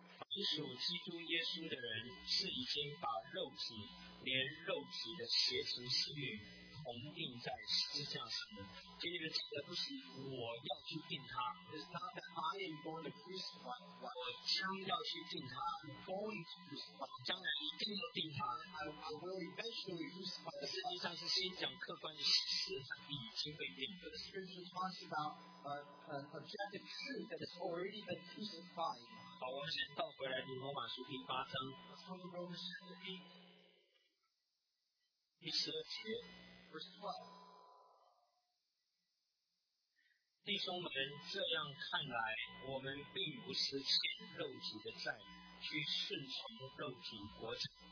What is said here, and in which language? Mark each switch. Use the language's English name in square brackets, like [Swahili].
[Chinese] 凡属基督耶稣的人，是已经把肉体连肉体的邪情私欲同定在十字架上的。请你们记得，不是我要去定他， [English] It's not that I am going to crucify. [Chinese] 我将要去定他， [English] I'm going to crucify. [Chinese] 将来一定要定他。 [English] I will eventually crucify. [Chinese] 实际上是先讲客观的事实，他已经被定了。 [English] The scripture talks about an objective truth that has already been crucified. [Chinese] 好，我们先倒回来，罗马书第八章。 [English] Let's go to Romans chapter 8. [Chinese] 第十二节。 [English] Verse 12. [Chinese] 弟兄们，这样看来，我们并不是欠肉体的债，去顺从肉体活着。